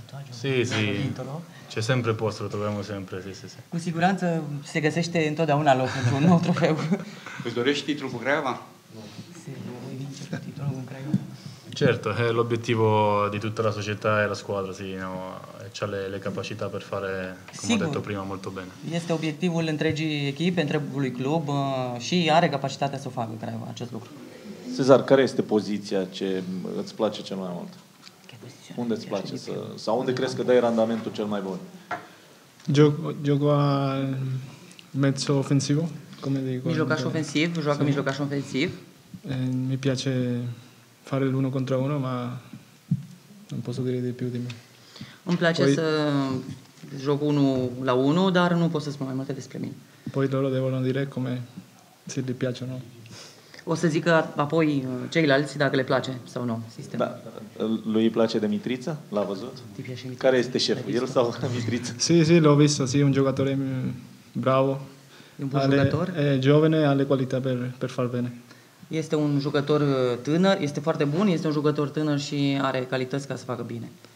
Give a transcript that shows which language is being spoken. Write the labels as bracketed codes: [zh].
[it] Sì, c'è sempre posto, lo troviamo sempre, sì. Con sicurezza [ro] si găsește întotdeauna loc pentru un nou trofeu. Îți dorești titlul cu Craiova? [it] Sì, vuoi vincere [ro] titlul cu [it] Craiova? Certo, è l'obiettivo di tutta la società e la squadra, sì, no, c'ha le capacità per fare, come [ro] sigur, [it] ho detto prima, molto bene. [ro] Este obiectivul întregii echipe, întregului club și are capacitatea să o facă Craiova acest lucru. Cezar, care este poziția ce îți place cel mai mult? Unde îți place sau unde crezi că dai randamentul cel mai bun? Joc [it] al mezzo ofensivo, come dico. [ro] Mijlocaș ofensiv, joacă mijlocaș ofensiv. [it] Mi piace fare l'uno contro uno, ma non posso dire di più di me. [ro] Îmi place să joc unul la unul, dar nu pot să spun mai multe despre mine. [it] Poi loro devono dire come se le piace o no. [ro] O să zică apoi ceilalți dacă le place sau nu sistemul. Da. Lui îi place de Mitriță? L-a văzut? Care este șeful? El sau Mitriță? [it] Sì, l-ho visto, sì, un giocatore bravo. [ro] Un bun jucător? [it] E giovane, [ro] are calitate [it] per far bene. [ro] Este un jucător tânăr, este foarte bun, este un jucător tânăr și are calități ca să facă bine.